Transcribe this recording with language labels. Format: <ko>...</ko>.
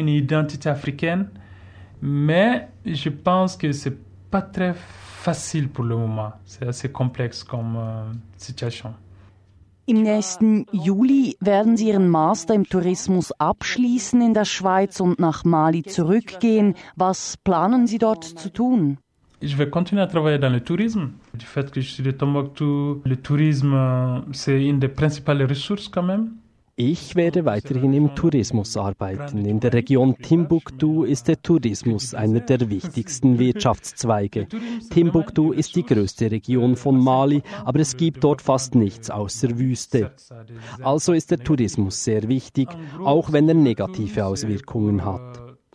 <fr>Identité africaine, mais je pense que c'est pas très facile pour le moment. C'est assez complexe comme situation.</fr> <de>Im nächsten Juli werden Sie Ihren Master im Tourismus abschließen in der Schweiz und nach Mali zurückgehen. Was planen Sie dort zu tun?</de> <fr>Je vais continuer à travailler dans le tourisme. Du fait que je suis de Tombouctou, le tourisme c'est une des principales ressources quand même.</fr> <de>Ich werde weiterhin im Tourismus arbeiten. In der Region Timbuktu ist der Tourismus einer der wichtigsten Wirtschaftszweige. Timbuktu ist die größte Region von Mali, aber es gibt dort fast nichts außer Wüste. Also ist der Tourismus sehr wichtig, auch wenn er negative Auswirkungen hat.</de>